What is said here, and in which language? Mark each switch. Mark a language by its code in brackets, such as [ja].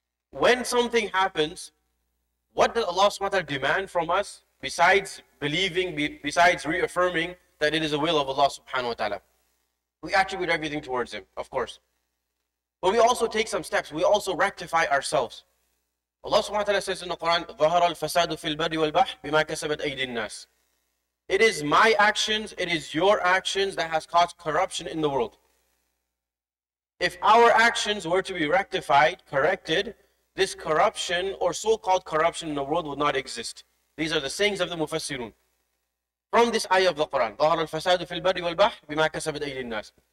[en] When something happens, what does Allah subhanahu wa ta'ala demand from us besides believing, besides reaffirming that it is the will of Allah subhanahu wa ta'ala? We attribute everything towards him, of course. But we also take some steps. We also rectify ourselves. Allah subhanahu wa ta'ala says in the Quran, [ar] ظَهَرَ الْفَسَادُ فِي الْبَرِّ وَالْبَحْرِ بِمَا كَسَبَتْ أَيْدِ النَّاسِ. [en] It is my actions, it is your actions that has caused corruption in the world. If our actions were to be rectified, corrected, this corruption or so-called corruption in the world would not exist. These are the sayings of the Mufassirun. From this ayah of the Quran, [ar] ظَهَرَ الْفَسَادُ فِي الْبَرِّ وَالْبَحْرِ بِمَا كَسَبَتْ أَيْدِ النَّاسِ.